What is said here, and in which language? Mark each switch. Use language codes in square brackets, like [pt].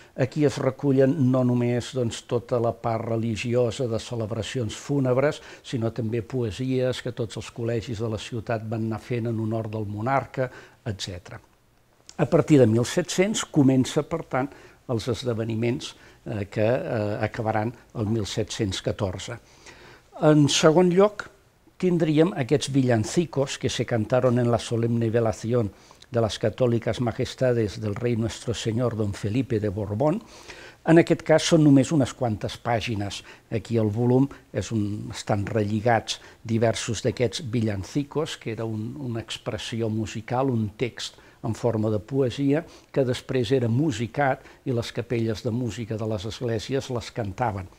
[ca] Aquí es recullen no només doncs, tota la part religiosa de celebracions fúnebres, sinó també poesies que tots els col·legis de la ciutat van anar fent en honor del monarca, etc. A partir de 1700 comença, per tant, els esdeveniments que acabaran el 1714. En segon lloc, tindríem aquests [es] villancicos que se cantaron en la solemne velación de las católicas majestades del rey nuestro señor don Felipe de Borbón. [ca] En aquest cas són només unes quantes pàgines. Aquí el volum estan relligats diversos d'aquests villancicos, que era una expressió musical, un text en forma de poesia, que després era musicat i les capelles de música de les esglésies les cantaven.